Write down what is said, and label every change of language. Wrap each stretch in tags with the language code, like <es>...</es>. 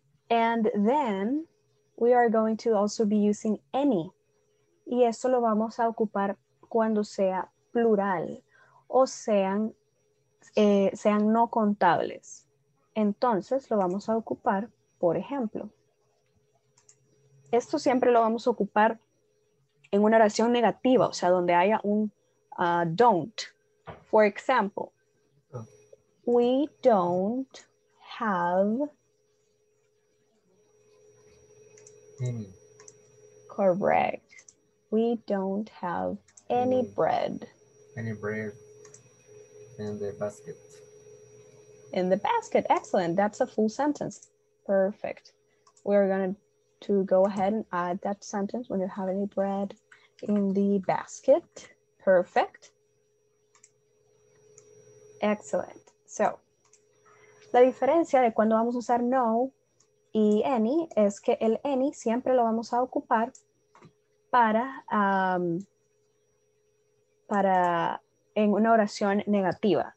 <en>And then we are going to also be using any.</en> <es>Y eso lo vamos a ocupar cuando sea plural o sean sean no contables. Entonces lo vamos a ocupar, por ejemplo, esto siempre lo vamos a ocupar en una oración negativa, o sea, donde haya un don't.</es> <en>For example, we don't have any. Correct. We don't have any bread. Any bread. In the basket. In the basket. Excellent. That's a full sentence. Perfect. We are going to to go ahead and add that sentence when you have any bread in the basket. Perfect. Excellent.</en> <es>So, la diferencia de cuando vamos a usar no y any es que el any siempre lo vamos a ocupar para, para en una oración negativa.</es>